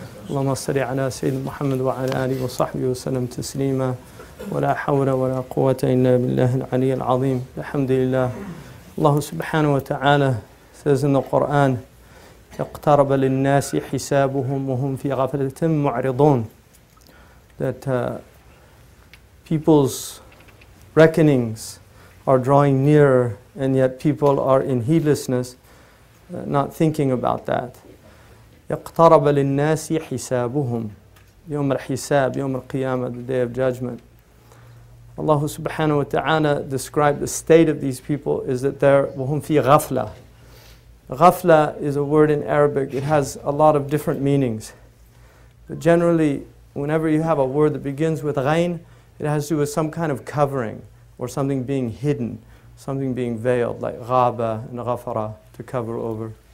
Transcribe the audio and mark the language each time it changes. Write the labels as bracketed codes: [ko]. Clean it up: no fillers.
[ar] اللهم صل على سيدنا محمد وعلى آله وصحبه وسلم تسليما. ولا حول ولا قوة إلا بالله العلي العظيم. الحمد لله. الله سبحانه وتعالى [en] says in the Quran, [ar] اقترب للناس حسابهم وهم في غفلة معرضون. [en] That people's reckonings are drawing nearer and yet people are in heedlessness, not thinking about that. [ar] يَقْتَرَبَ لِلنَّاسِ حِسَابُهُمْ يوم الحساب, يوم القيامة, [en] the day of judgment. Allah subhanahu wa ta'ala described the state of these people is that they're [ar] وَهُمْ فِي غَفْلَة. [en] غَفْلَة is a word in Arabic. It has a lot of different meanings. But generally, whenever you have a word that begins with غَيْن, it has to do with some kind of covering or something being hidden, something being veiled, like غَابَ and غَفَرَة, to cover over.